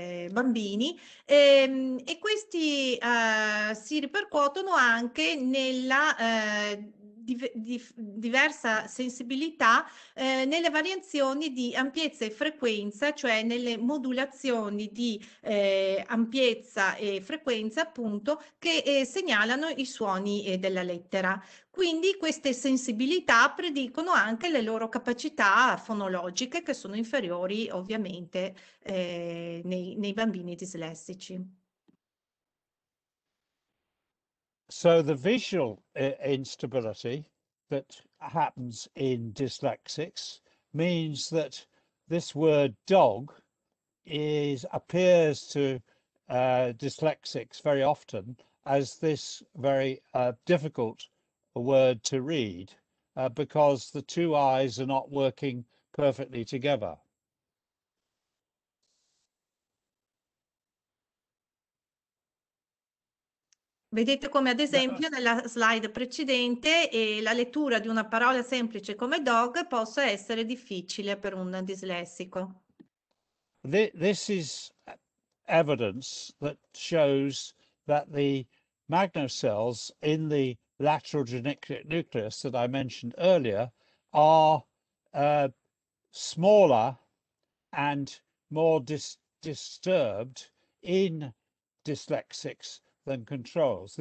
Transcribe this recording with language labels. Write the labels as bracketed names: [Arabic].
[Italian] bambini e questi si ripercuotono anche nella diversa sensibilità nelle variazioni di ampiezza e frequenza, cioè nelle modulazioni di ampiezza e frequenza appunto che segnalano i suoni della lettera. Quindi queste sensibilità predicono anche le loro capacità fonologiche, che sono inferiori ovviamente nei bambini dislessici. [English] So the visual instability that happens in dyslexics means that this word dog appears to dyslexics very often as this very difficult word to read because the two eyes are not working perfectly together. [Italian] Vedete come ad esempio nella slide precedente la lettura di una parola semplice come dog possa essere difficile per un dislessico. [English] This is evidence that shows that the magnocells in the lateral geniculate nucleus that I mentioned earlier are smaller and more disturbed in dyslexics than controls.